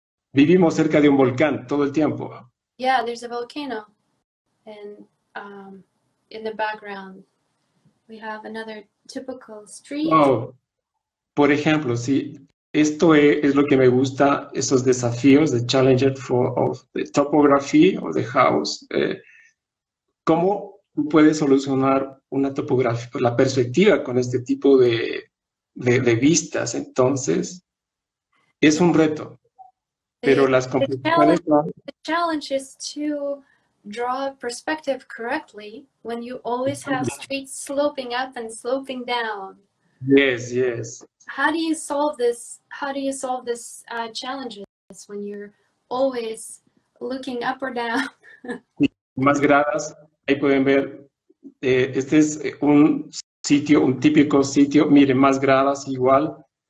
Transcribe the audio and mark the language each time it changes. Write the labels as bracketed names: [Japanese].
[Spanish] Vivimos cerca de un volcán todo el tiempo. [English] Yeah, there's a volcano, and in the background we have another typical street. [Spanish] Oh, por ejemplo, sí. Esto es lo que me gusta, esos desafíos, [English] the challenge of the topography of the house. [Spanish] ¿Cómo puedes solucionar una topografía, la perspectiva con este tipo de vistas? Entonces, es un reto, pero [English] The [Spanish] las composiciones van. [English] challenge is to draw perspective correctly when you always have streets sloping up and sloping down. Yes. How do you solve this challenges when you're always looking up or down? [Spanish] Más gradas, ahí pueden ver, este es un sitio, un típico sitio, miren, más gradas igual.